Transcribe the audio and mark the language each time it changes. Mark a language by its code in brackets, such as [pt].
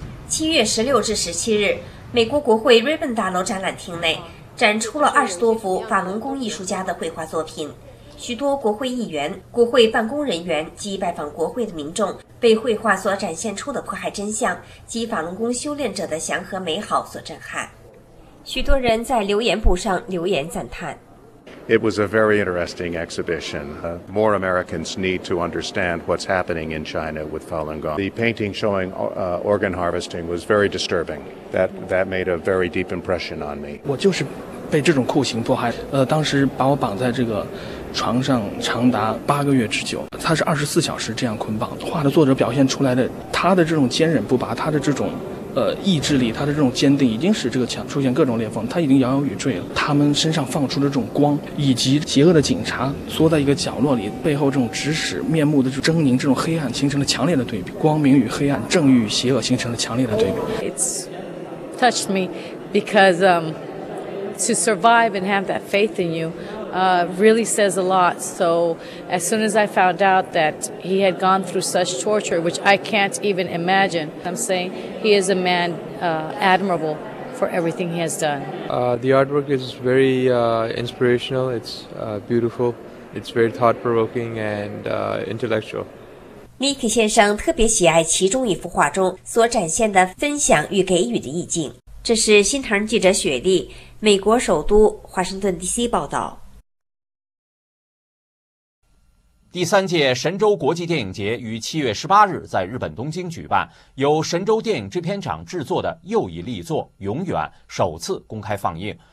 [zh] 7月16日至17日，美国国会 Ribbon 大楼展览厅内展出了20多幅法轮功艺术家的绘画作品，许多国会议员、国会办公人员及拜访国会的民众被绘画所展现出的迫害真相及法轮功修炼者的祥和美好所震撼。许多人在留言簿上留言赞叹。 [en] It was a very interesting exhibition. More Americans need to understand what's happening in China with Falun Gong. The painting showing organ harvesting was very disturbing. That made a very deep impression on me. [zh] 我就是被这种酷刑迫害，当时把我绑在这个床上长达8个月之久，他是24小时这样捆绑。画的作者表现出来的他的这种坚韧不拔，他的这种意志力，他的这种坚定已经使这个墙出现各种裂缝，他已经摇摇欲坠了。他们身上放出的这种光，以及邪恶的警察缩在一个角落里背后这种指使面目的狰狞，这种黑暗形成了强烈的对比，光明与黑暗，正与邪恶形成了强烈的对比。 [en] It's touched me because to survive and have that faith in youReally says a lot. So as soon as I found out that he had gone through such torture, which I can't even imagine, I'm saying he is a man admirable for everything he has done. The artwork is very inspirational. It's beautiful. It's very thought-provoking and intellectual. [zh] Nicky 先生特别喜爱其中一幅画中所展现的分享与给予的意境。这是新唐人记者雪莉，美国首都华盛顿 DC 报道。第三届神州国际电影节于7月18日在日本东京举办，由神州电影制片厂制作的又一力作《永远》首次公开放映。